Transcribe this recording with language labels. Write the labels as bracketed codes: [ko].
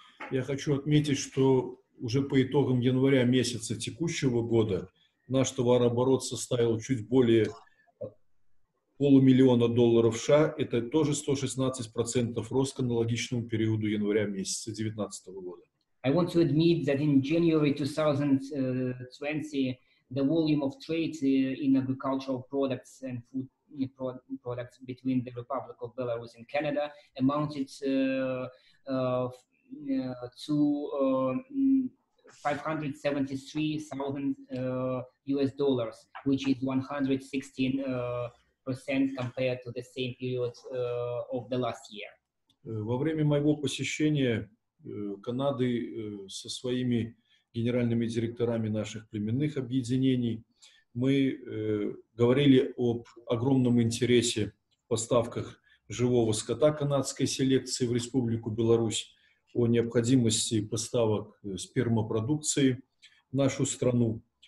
[ru] Я хочу отметить, что уже по итогам января месяца текущего года наш товарооборот составил чуть более полумиллиона долларов США. Это тоже 116% рост к аналогичному периоду января месяца 2019 года. [en] I want to admit that in January 2020 the volume of trade in agricultural products and food products between the Republic of Belarus and Canada amounted $573,000, which is 116% compared to the same period of the last year. [ru] Во время моего посещения Канады со своими генеральными директорами наших племенных объединений мы говорили об огромном интересе в поставках живого скота канадской селекции в Республику Беларусь, о необходимости поставок спермопродукции в нашу страну.